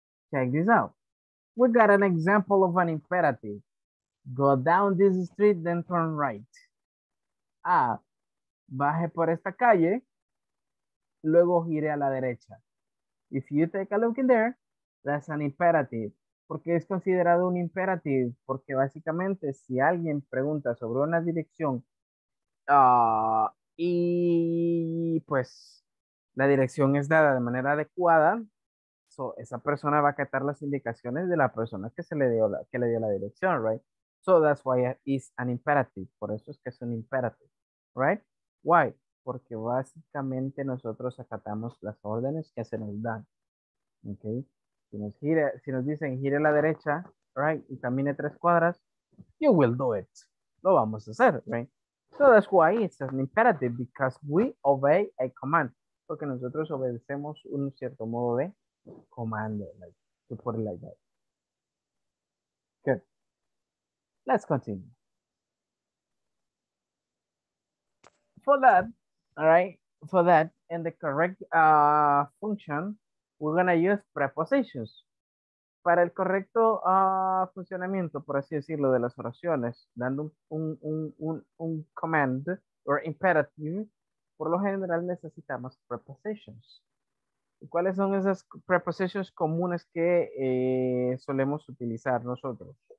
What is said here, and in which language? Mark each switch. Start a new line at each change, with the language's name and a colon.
English: Check this out. we got an example of an imperative. Go down this street, then turn right.
Spanish: A, baje por esta calle, luego gire a la derecha.
English: If you take a look in there, that's an imperative.
Spanish: Porque es considerado un imperative, porque básicamente si alguien pregunta sobre una dirección y pues la dirección es dada de manera adecuada, so esa persona va a acatar las indicaciones de la persona que se le dio la, que le dio la dirección,
English: right? So that's why it is an imperative.
Spanish: Por eso es que es un imperative,
English: right? Why?
Spanish: Porque básicamente nosotros acatamos las órdenes que se nos dan,
English: okay?
Spanish: Si nos, gire, si nos dicen gire a la derecha, right, y camine tres cuadras,
English: you will do it.
Spanish: Lo vamos a hacer, right?
English: So that's why it's an imperative, because we obey a command.
Spanish: Porque nosotros obedecemos un cierto modo de comando,
English: like, to put it like that. Good. Let's continue. For that, all right, for that, in the correct function, we're going to use prepositions.
Spanish: Para el correcto funcionamiento, por así decirlo, de las oraciones, dando un command or imperative, por lo general necesitamos prepositions. ¿Cuáles son esas prepositions comunes que solemos utilizar nosotros?